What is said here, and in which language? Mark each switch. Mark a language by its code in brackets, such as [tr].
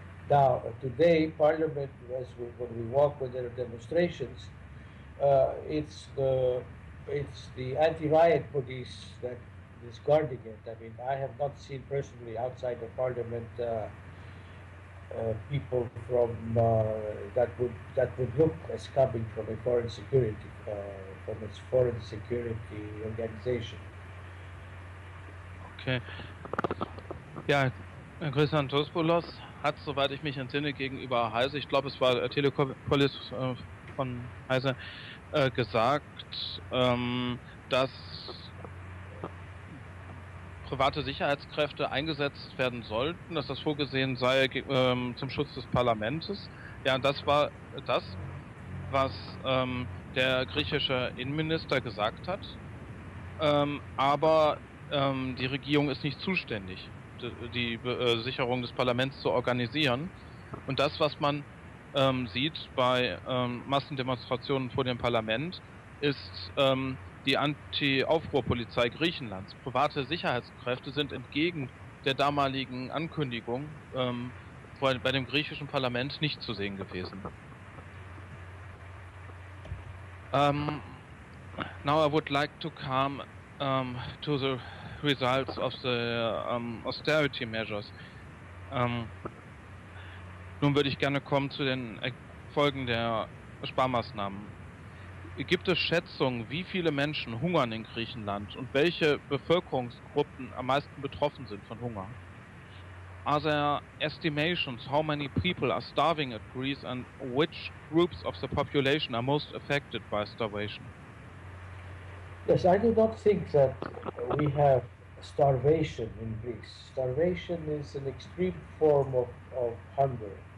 [en] Now, today, parliament, as we, when we walk, when there are demonstrations, it's the anti-riot police that is guarding it. I mean, I have not seen personally outside the parliament people from that would look as coming from a foreign security from its foreign security organization. Okay. [de] Ja, Christantopoulos hat, soweit ich mich entsinne, gegenüber Heise, ich glaube, es war Telepolis von Heise, gesagt, dass private Sicherheitskräfte eingesetzt werden sollten, dass das vorgesehen sei zum Schutz des Parlaments. Ja, das war das, was der griechische Innenminister gesagt hat. Aber die Regierung ist nicht zuständig, die Sicherung des Parlaments zu organisieren. Und das, was man sieht bei Massendemonstrationen vor dem Parlament, ist die Anti-Aufruhr-Polizei Griechenlands. Private Sicherheitskräfte sind entgegen der damaligen Ankündigung bei dem griechischen Parlament nicht zu sehen gewesen. [en] Now I would like to come to the results of the austerity measures. [de] Nun würde ich gerne kommen zu den Folgen der Sparmaßnahmen. Gibt es Schätzungen, wie viele Menschen hungern in Griechenland und welche Bevölkerungsgruppen am meisten betroffen sind von Hunger? [en] Are there estimations how many people are starving in Greece and which groups of the population are most affected by starvation? Yes, I do not think that we have starvation in Greece. Starvation is an extreme form of hunger.